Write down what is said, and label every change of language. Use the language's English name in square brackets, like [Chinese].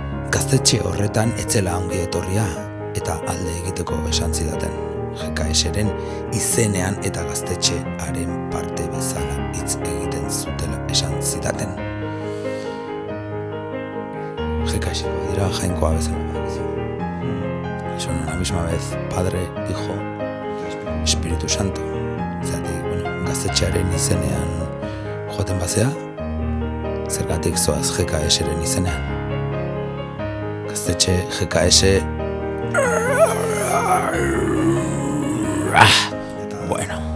[Basque] Gaztetxe horretan etzela ongi etorria eta alde egiteko esan zidaten. GKS-eren izenean eta gaztetxearen parte bezala hitz egiten zutela esan zidaten. GKS-eko dira jainkoa bezala. [Spanish] Son la misma vez Padre, Hijo, Espíritu Santo. [Basque] Zatik, bueno, gaztetxearen izenean joaten bazea, zergatik zoaz GKS-eren izenean. Gaztetxe GKS... Eta, bueno,